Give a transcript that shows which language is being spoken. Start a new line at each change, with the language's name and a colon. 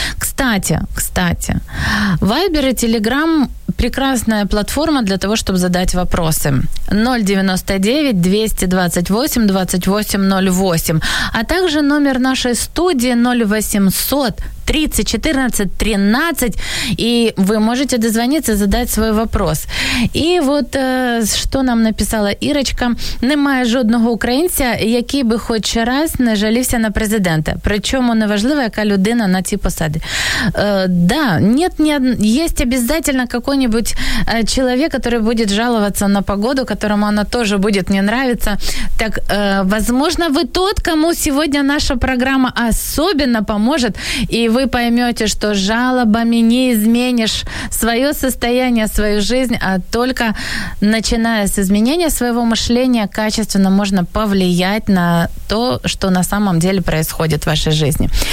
Russian: Кстати, Вайбер и Телеграм — прекрасная платформа для того, чтобы задать вопросы. 099-228-2808. А также номер нашей студии 0800 30 14 13, и вы можете дозвониться, задать свой вопрос.
Ukrainian: І от що нам написала Ірочка: немає жодного українця, який би хоч раз не жалівся на президента. Причому неважливо, яка людина на цій посаді.
Russian: Да, нет, нет, есть обязательно какой-нибудь человек, который будет жаловаться на погоду, которому она тоже будет не нравиться. Так, возможно, вы тот, кому сегодня наша программа особенно поможет, и вы поймете, что жалобами не изменишь свое состояние, свою жизнь, а только начиная с изменения своего мышления, качественно можно повлиять на то, что на самом деле происходит в вашей жизни.